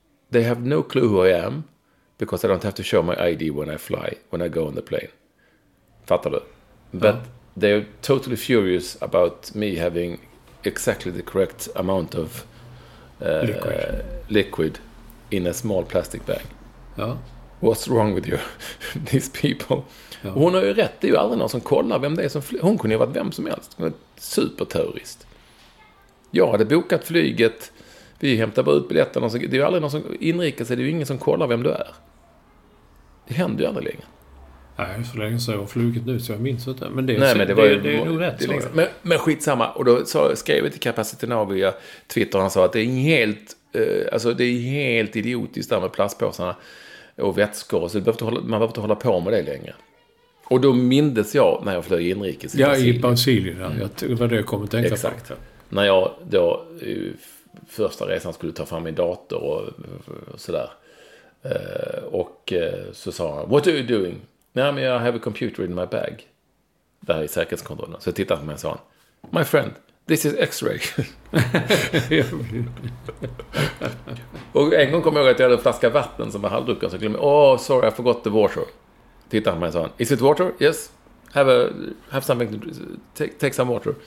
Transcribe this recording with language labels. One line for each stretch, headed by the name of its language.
English: They have no clue who I am because I don't have to show my ID when I fly, when I go on the plane.
Swedish: Fattar du?
English: But they're totally furious about me having exactly the correct amount of liquid in a small plastic bag.
Swedish: Ja.
English: What's wrong with you, these people?
Swedish: Ja. Hon har ju rätt, det är ju aldrig någon som kollar vem det är som flyr. Hon kunde ju varit vem som helst. Hon är superterrorist. Jag hade bokat flyget. Vi hämtar bara ut biljetterna. Det är ju aldrig någon som inrikar sig. Det är ju ingen som kollar vem du är. Det händer ju aldrig länge. Nej, så länge så jag har flugit nu så jag minns inte. Men det, nej, så, men det, var ju, det är nog rätt. Det är men skitsamma. Och då så skrev jag till Capacity Now via Twitter. Han sa att det är helt, alltså det är helt idiotiskt där med plastpåsarna och vätskor. Så man behöver inte hålla på med det längre. Och då mindes jag när jag flög inrikes. Ja, i Brasilien. Jag var det jag kom att tänka på. Exakt. När jag då första resan skulle ta fram min dator och sådär. Och så sa han,
English: what are you doing?
Swedish: Nej, men
English: I have a computer in my bag.
Swedish: Det här är säkerhetskontrollen. Så jag tittade på mig och sa han,
English: my friend, this is X-ray.
Swedish: Och en gång kom jag ihåg att jag hade en flaska vatten som var halvdrucken. Så jag glömde,
English: oh sorry, I forgot the water.
Swedish: Tittade på mig och sa han,
English: is it water? Yes. Have something to take some water.